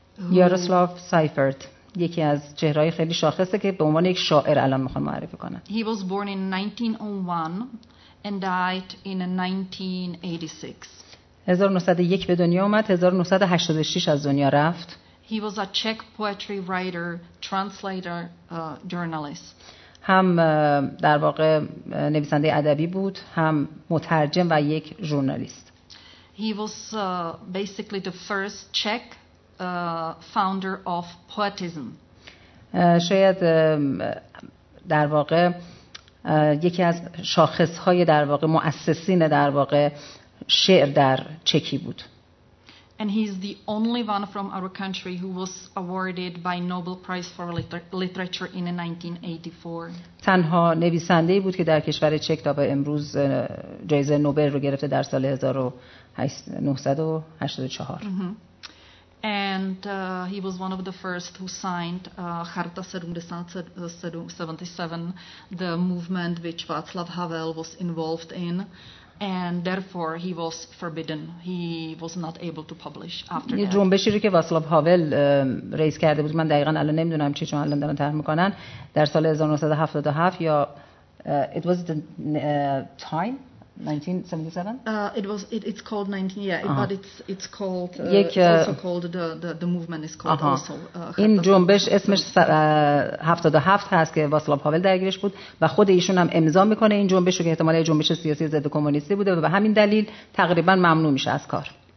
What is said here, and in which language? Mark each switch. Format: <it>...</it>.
<fa>Jaroslav Seifert, یکی از چهرهای خیلی شاخصه که به عنوان یک شاعر الان میخوام معرفی کنم.</fa> <en>He was born in 1901 and died in 1986.</en> <fa>1901 به دنیا آمد، 1986 از دنیا رفت.</fa> <en>He was a Czech poetry writer, translator, journalist.</en> <fa>هم در واقع نویسنده ادبی بود، هم مترجم و یک ژورنالیست.</fa> <en>He was basically the first Czech founder of poetism.</en> <fa>شاید در واقع یکی از شاخص‌های در واقع مؤسسین در واقع شعر در چکی بود.</fa> <en>And he is the only one from our country who was awarded by Nobel Prize for Literature in 1984.</en> <fa>تنها نویسنده‌ای بود که در کشور چک تا به امروز جایزه نوبل رو گرفته در سال 1984.</fa> <en>And he was one of the first who signed Charta 77, the movement which Václav Havel was involved in. And therefore he was forbidden. He was not able to publish after that.</en> <fa>جنبشی رو که واسلاو هاول رئیس کرده بود، من دقیقاً الان نمیدونم چی چون الان دارن طرح میکنن، در سال 1977 یا</fa> <en>it was the time 1977. It's called 19. Yeah, uh-huh. But it's called. It's also called the movement is called uh-huh. also.</en> <fa>این جنبش اسمش 77 هست که واسلاو هاول درگیرش بود و خود ایشون هم امضا میکنه این جنبش رو که احتمالاً جنبش سیاسی ضد کمونیستی بوده و به همین دلیل تقریبا ممنوع میشه از کار.</fa>